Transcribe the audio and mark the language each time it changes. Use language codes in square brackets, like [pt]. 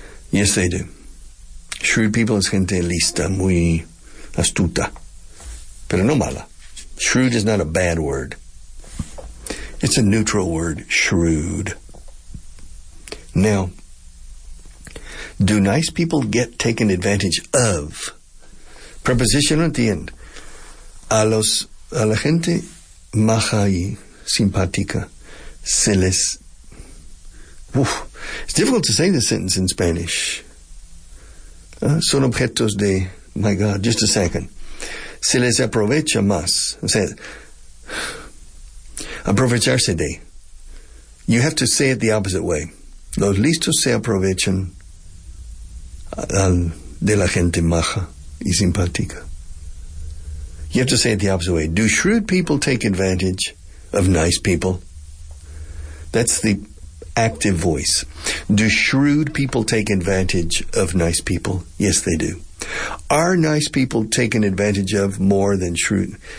[en] Yes, they do. Shrewd people is [es] gente lista, muy astuta, pero no mala. [en] Shrewd is not a bad word. It's a neutral word, shrewd. Now, do nice people get taken advantage of? Preposition at the end. [es] A la gente maja y simpática se les... [en] Uf, it's difficult to say this sentence in Spanish. [es] Son objetos de... [en] My God, just a second. [es] Se les aprovecha más. O sea, aprovecharse de. [en] You have to say it the opposite way. [es] Los listos se aprovechan de la gente maja y simpática. [en] You have to say it the opposite way. Do shrewd people take advantage of nice people? That's the active voice. Do shrewd people take advantage of nice people? Yes, they do. Are nice people taken advantage of more than shrewd?